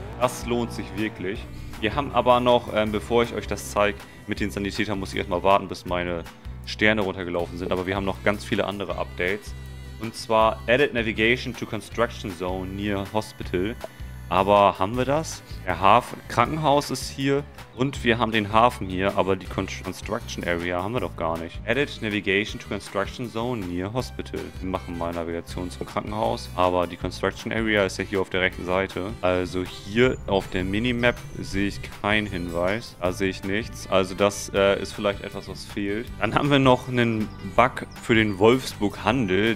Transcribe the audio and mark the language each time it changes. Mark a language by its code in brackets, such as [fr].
[de] Das lohnt sich wirklich. Wir haben aber noch, bevor ich euch das zeige, mit den Sanitätern muss ich erstmal warten, bis meine Sterne runtergelaufen sind, aber wir haben noch ganz viele andere Updates. Und zwar [en] Added Navigation to Construction Zone near Hospital. [de] Aber haben wir das? Der Hafen, Krankenhaus ist hier und wir haben den Hafen hier, aber die Construction Area haben wir doch gar nicht. [en] Edit Navigation to Construction Zone near Hospital. [de] Wir machen mal Navigation zum Krankenhaus, aber die Construction Area ist ja hier auf der rechten Seite. Also hier auf der Minimap sehe ich keinen Hinweis, da sehe ich nichts. Also das ist vielleicht etwas, was fehlt. Dann haben wir noch einen Bug für den Wolfsburg Handel.